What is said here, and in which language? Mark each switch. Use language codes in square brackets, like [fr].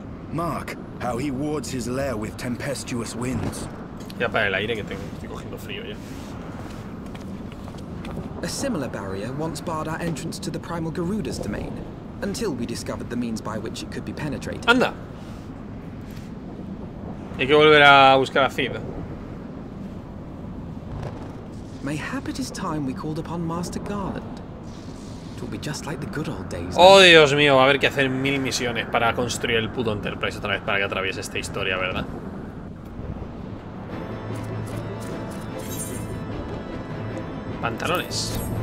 [en] Mark how he wards his lair with tempestuous winds. [es] Ya para el aire que tengo, estoy cogiendo frío ya. [en] A similar barrier once barred our entrance to the primal Garuda's domain. Until we discovered the means by which it could be penetrated. [es] Anda. Hay que volver a buscar a Cid. [en] Mayhap it is time we called upon Master Garland. It will be just like the good old days. [es] Oh, Dios mío, va a haber que hacer mil misiones para construir el puto Enterprise otra vez para que atraviese esta historia, ¿verdad? Pantalones.